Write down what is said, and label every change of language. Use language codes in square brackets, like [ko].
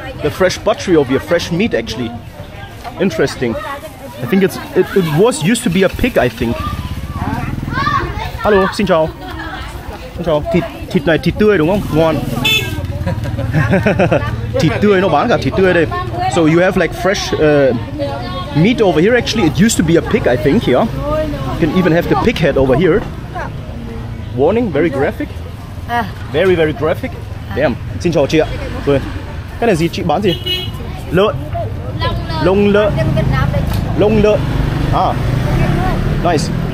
[en] The fresh butchery over here, fresh meat, actually. Interesting. I think it used to be a pig, I think. [vi] Hello, xin chào. Xin chào. Thịt này, thịt tươi, đúng không? Ngon. Thịt tươi, nó bán cả thịt tươi đây. [en] So you have like fresh meat over here, actually. It used to be a pig, I think, here. You can even have the pig head over here. Warning, very graphic. Very, very graphic. Damn. [vi] Xin chào chị ạ. Cái này gì? Chị bán gì? Lợn. Lông lợn. Lông lợn. [en] Ah. Nice.